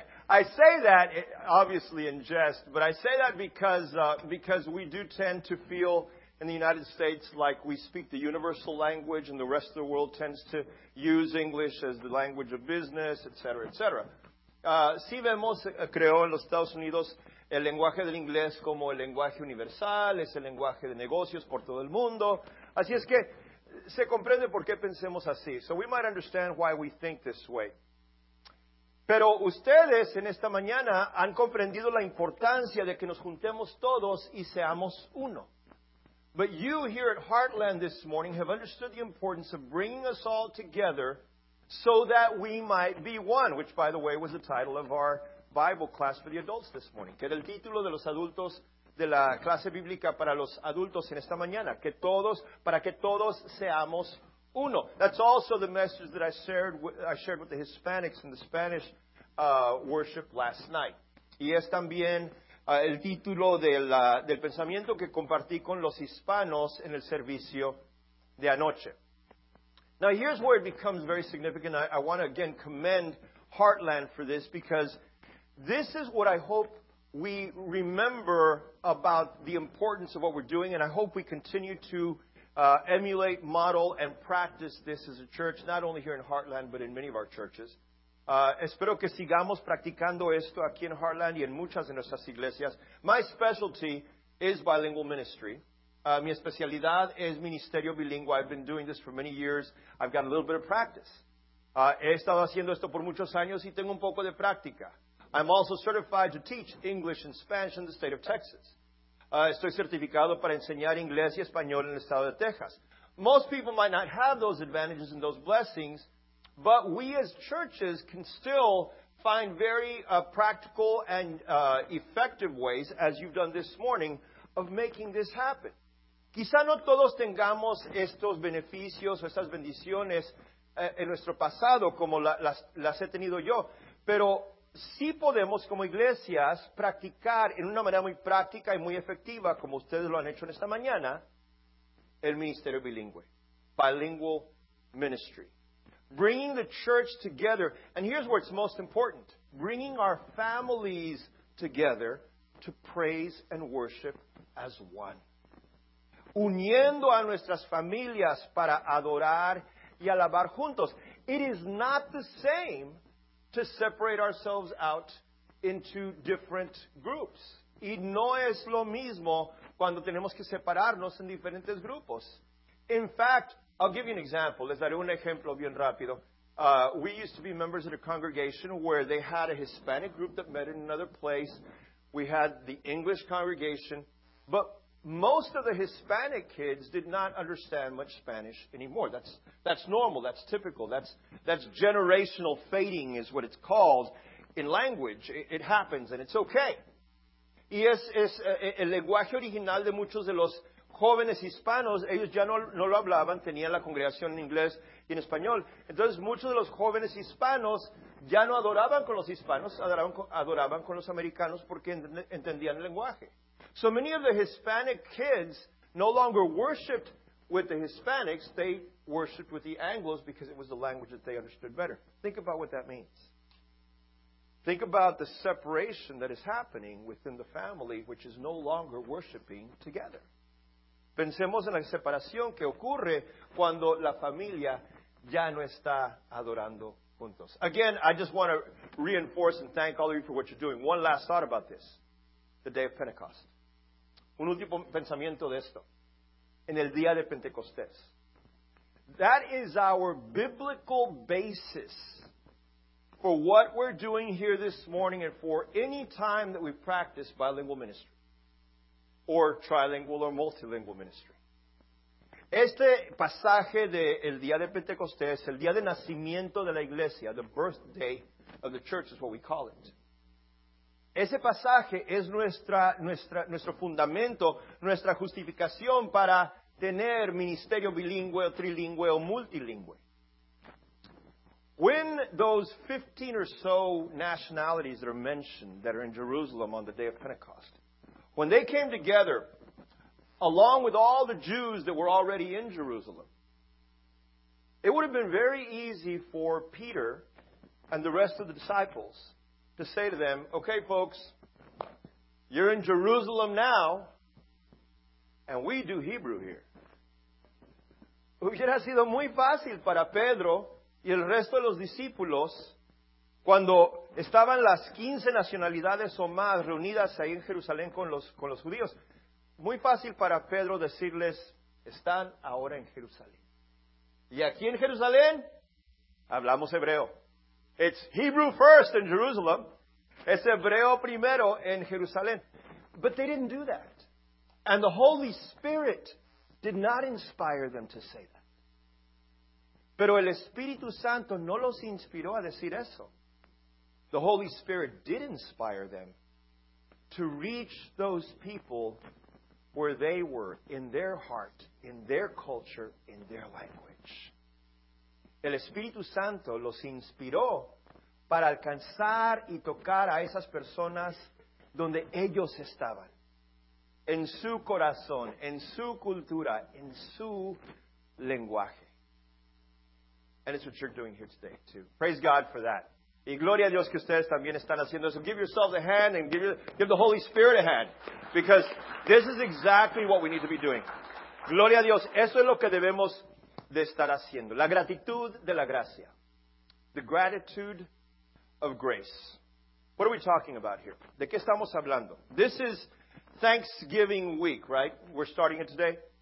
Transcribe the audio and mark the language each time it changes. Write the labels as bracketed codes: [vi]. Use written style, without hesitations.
[en] I say that, obviously, in jest, but I say that because we do tend to feel in the United States like we speak the universal language and the rest of the world tends to use English as the language of business, et cetera, et cetera. [es] Si vemos, creo, en los Estados Unidos, el lenguaje del inglés como el lenguaje universal, es el lenguaje de negocios por todo el mundo. Así es que se comprende por qué pensemos así. [en] So we might understand why we think this way. [es] Pero ustedes en esta mañana han comprendido la importancia de que nos juntemos todos y seamos uno. [en] But you here at Heartland this morning have understood the importance of bringing us all together so that we might be one, which, by the way, was the title of our Bible class for the adults this morning. [es] Que era el título de los adultos, de la clase bíblica para los adultos en esta mañana. Que todos, para que todos seamos uno. [en] That's also the message that I shared with the Hispanics in the Spanish worship last night. [es] Y es también el título del pensamiento que compartí con los hispanos en el servicio de anoche. [en] Now, here's where it becomes very significant. I want to, again, commend Heartland for this, because this is what I hope we remember about the importance of what we're doing, and I hope we continue to emulate, model, and practice this as a church, not only here in Heartland, but in many of our churches. [es] Espero que sigamos practicando esto aquí en Heartland y en muchas de nuestras iglesias. [en] My specialty is bilingual ministry. [es] Mi especialidad es ministerio bilingüe. [en] I've been doing this for many years. I've got a little bit of practice. [es] He estado haciendo esto por muchos años y tengo un poco de práctica. [en] I'm also certified to teach English and Spanish in the state of Texas. [es] Estoy certificado para enseñar inglés y español en el estado de Texas. [en] Most people might not have those advantages and those blessings, but we as churches can still find very practical and effective ways, as you've done this morning, of making this happen. [es] Quizá no todos tengamos estos beneficios o estas bendiciones en nuestro pasado como las he tenido yo, pero sí podemos como iglesias practicar en una manera muy práctica y muy efectiva, como ustedes lo han hecho en esta mañana, el ministerio bilingüe, [en] bilingual ministry. Bringing the church together, and here's where it's most important, bringing our families together to praise and worship as one. [es] Uniendo a nuestras familias para adorar y alabar juntos. [en] It is not the same to separate ourselves out into different groups. [es] Y no es lo mismo cuando tenemos que separarnos en diferentes grupos. [en] In fact, I'll give you an example. [es] Les daré un ejemplo bien rápido. [en] We used to be members of a congregation where they had a Hispanic group that met in another place. We had the English congregation. But most of the Hispanic kids did not understand much Spanish anymore. That's normal. That's typical. That's generational fading is what it's called in language. It happens, and it's okay. [es] Y es el lenguaje original de muchos de los jóvenes hispanos. Ellos ya no lo hablaban, tenían la congregación en inglés y en español. Entonces, muchos de los jóvenes hispanos ya no adoraban con los hispanos, adoraban con los americanos porque entendían el lenguaje. [en] So many of the Hispanic kids no longer worshipped with the Hispanics, they worshipped with the Anglos because it was the language that they understood better. Think about what that means. Think about the separation that is happening within the family, which is no longer worshipping together. [es] Pensemos en la separación que ocurre cuando la familia ya no está adorando juntos. [en] Again, I just want to reinforce and thank all of you for what you're doing. One last thought about this. The day of Pentecost. [es] Un último pensamiento de esto. En el día de Pentecostés. [en] That is our biblical basis for what we're doing here this morning and for any time that we practice bilingual ministry. Or trilingual or multilingual ministry. [es] Este pasaje de el día de Pentecostés, el día de nacimiento de la iglesia, [en] the birthday of the church is what we call it. [es] Ese pasaje es nuestro fundamento, nuestra justificación para tener ministerio bilingüe, o trilingüe, o multilingüe. [en] When those 15 or so nationalities that are mentioned that are in Jerusalem on the day of Pentecost, when they came together, along with all the Jews that were already in Jerusalem, it would have been very easy for Peter and the rest of the disciples to say to them, okay, folks, you're in Jerusalem now, and we do Hebrew here. [es] Hubiera sido muy fácil para Pedro y el resto de los discípulos cuando estaban las 15 nacionalidades o más reunidas ahí en Jerusalén con los judíos. Muy fácil para Pedro decirles, están ahora en Jerusalén. Y aquí en Jerusalén, hablamos hebreo. [en] It's Hebrew first in Jerusalem. [es] Es hebreo primero en Jerusalén. [en] But they didn't do that. And the Holy Spirit did not inspire them to say that. [es] Pero el Espíritu Santo no los inspiró a decir eso. [en] The Holy Spirit did inspire them to reach those people where they were, in their heart, in their culture, in their language. [es] El Espíritu Santo los inspiró para alcanzar y tocar a esas personas donde ellos estaban. En su corazón, en su cultura, en su lenguaje. [en] And it's what you're doing here today, too. Praise God for that. [es] Y gloria a Dios que ustedes también están haciendo eso. [en] Give yourselves a hand and give the Holy Spirit a hand. Because this is exactly what we need to be doing. [es] Gloria a Dios. Eso es lo que debemos de estar haciendo. La gratitud de la gracia. [en] The gratitude of grace. What are we talking about here? [es] ¿De qué estamos hablando? [en] This is Thanksgiving week, right? We're starting it today.